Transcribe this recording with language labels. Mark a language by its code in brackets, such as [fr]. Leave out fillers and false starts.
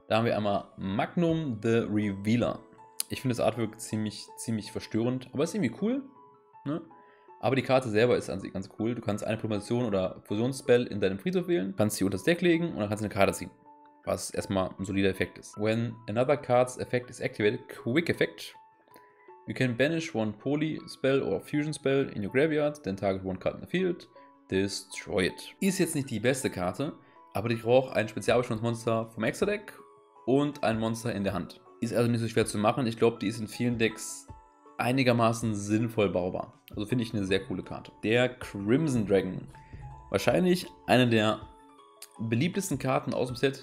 [de] Da haben wir einmal Magnum the Revealer. Ich finde das Artwork ziemlich verstörend, aber ist irgendwie cool. Ne? Aber die Karte selber ist an sich ganz cool. Du kannst eine Promotion oder Fusionsspell in deinem Friedhof wählen, kannst sie unter das Deck legen und dann kannst du eine Karte ziehen, was erstmal ein solider Effekt ist. [en] When another card's effect is activated, quick effect, you can banish one poly spell or fusion spell in your graveyard, then target one card in the field, destroy it. [de] Ist jetzt nicht die beste Karte, aber die braucht ein Spezialbeschwörungsmonster vom Extra-Deck und ein Monster in der Hand. Ist also nicht so schwer zu machen. Ich glaube, die ist in vielen Decks einigermaßen sinnvoll baubar. Also finde ich eine sehr coole Karte. Der Crimson Dragon. Wahrscheinlich eine der beliebtesten Karten aus dem Set.